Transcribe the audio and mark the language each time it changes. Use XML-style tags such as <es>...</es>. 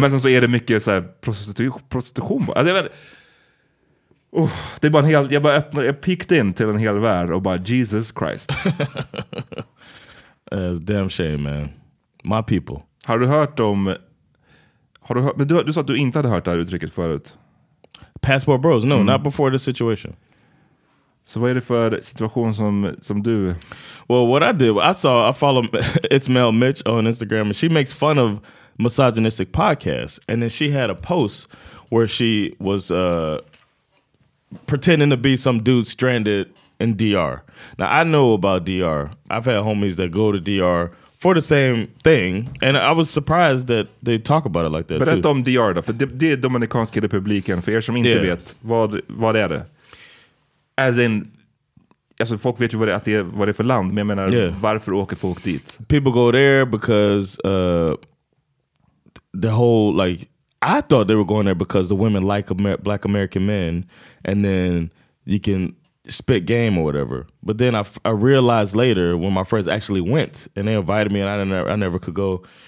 <sv>Men sen så är det mycket så här prostitution. Alltså jag vet, oh, det är bara en hel, jag bara öppnade, jag</sv> <en>peeked in</en> <sv>till en hel värld och bara</sv> <en>Jesus Christ. Damn shame, man. My people.</en> <sv>Har du hört om, har du hört, men du sa att du inte hade hört det här uttrycket förut.</sv> <en>Passport bros, no, not before the situation.</en> <sv>Så vad är det för situation som du...</sv> <en>Well, what I did, I follow It's Mel Mitch on Instagram and she makes fun of misogynistic podcast, and then she had a post where she was pretending to be some dude stranded in DR. Now I know about DR. I've had homies that go to DR for the same thing, and I was surprised that they talk about it like that.</en> <sv>Berätta om DR då, för det är Dominikanska republiken, för er som inte vet vad är det?</sv> <en>As in,</en> <sv>alltså folk vet ju vad det är för land, men jag menar varför åker folk dit?</sv> <en>People go there because the whole, like, I thought they were going there because the women like black American men, and then you can spit game or whatever. But then I realized later when my friends actually went and they invited me and I never could go.</en>